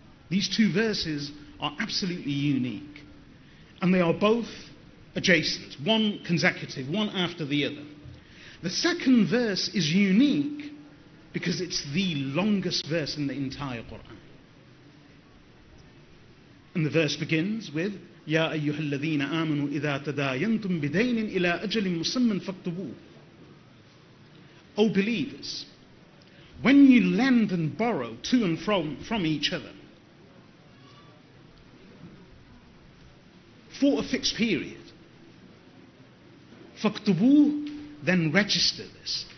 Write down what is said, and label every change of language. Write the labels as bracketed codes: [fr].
[en] These two verses are absolutely unique. And they are both adjacent, one consecutive, one after the other. The second verse is unique because it's the longest verse in the entire Qur'an. And the verse begins with, [ar] يَا أَيُّهَا الَّذِينَ آمَنُوا إِذَا تَدَايَنْتُمْ بِدَيْنٍ إِلَىٰ أَجَلٍ مُسَمَّنْ فَاكْتُبُوهُ. [en] O believers, when you lend and borrow to and from each other, for a fixed period, فَاكْتُبُوهُ, then register this.